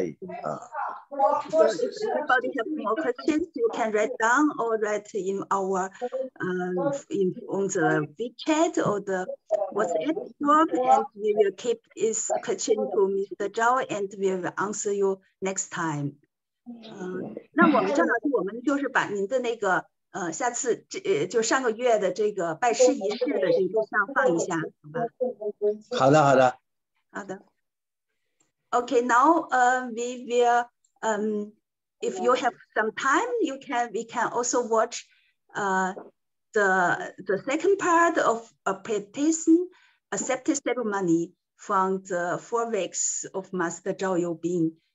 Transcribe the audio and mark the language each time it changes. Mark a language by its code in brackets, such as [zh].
[en] Everybody have more questions, you can write down or write in our on the WeChat or the WhatsApp group, and we will keep this question to Mr. Zhao and we will answer you next time. [zh] 那我们正好是我们就是把您的那个下次就上个月的这个拜师仪式的这个上放一下，好吧？好的，好的，好的。 [en] Okay, now we will. If you have some time, we can also watch the second part of a petition acceptance ceremony from the 4 weeks of Master Zhao Youbin,